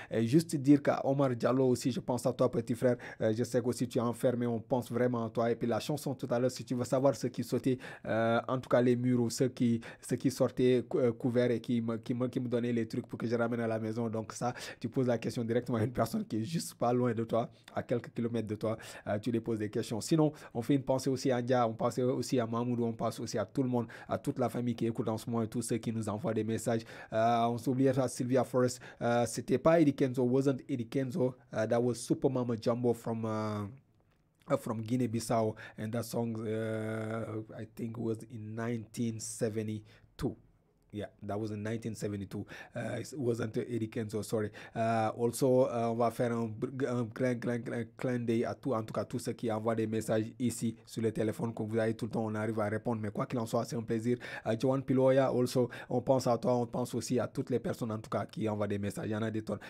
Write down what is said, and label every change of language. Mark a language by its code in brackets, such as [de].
[fr] Et juste dire qu'à Omar Diallo aussi, je pense à toi, petit frère. Je sais qu'aussi tu es enfermé, on pense vraiment à toi. Et puis la chanson tout à l'heure, si tu veux savoir ce qui sautait, en tout cas les murs ou ce qui sortait couvert et qui me donnait les trucs pour que je ramène à la maison. Donc ça, tu poses la question directement à une personne qui est juste pas loin de toi, à quelques kilomètres de toi, tu lui poses des questions. Sinon, on fait une pensée aussi à Ndia, on pense aussi à Mamoudou, on pense aussi à tout le monde, à toute la famille qui écoute en ce moment et tous ceux qui nous envoient des messages. On s'oublie à Sylvia Forrest, c'était pas Eddie Kenzo, [en] wasn't Eddie Kenzo, that was Super Mama Jumbo from Guinea-Bissau, and that song I think was in 1972. Yeah, that was in 1972. It wasn't Eddie Kenzo, sorry. [fr] Also, on va faire un clin d'œil à tout, en tout cas, tous ceux qui envoient des messages ici sur le téléphone, comme vous avez tout le temps, on arrive à répondre. Mais quoi qu'il en soit, c'est un plaisir. Joan Piloya, also, on pense à toi, on pense aussi à toutes les personnes, en tout cas, qui envoient des messages. Il y en a des tonnes.